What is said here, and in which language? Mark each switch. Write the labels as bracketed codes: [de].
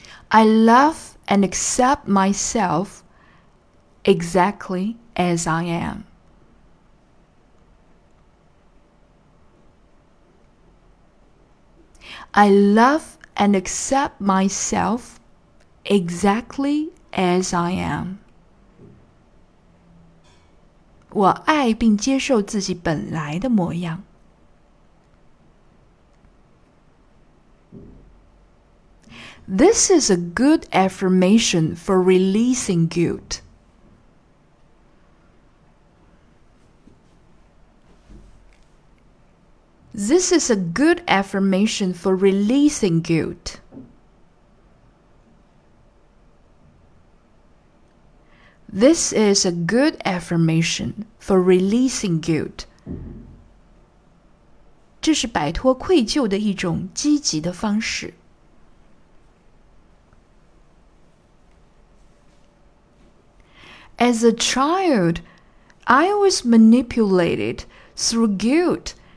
[en] I love and accept myself exactly as I am. I love and accept myself exactly as I am. [zh] 我爱并接受自己本来的模样。 [en] This is a good affirmation for releasing guilt. This is a good affirmation for releasing guilt. This is a good affirmation for releasing guilt. [zh] 这是摆脱愧疚的一种积极的方式。 [en] As a child, I was manipulated through guilt.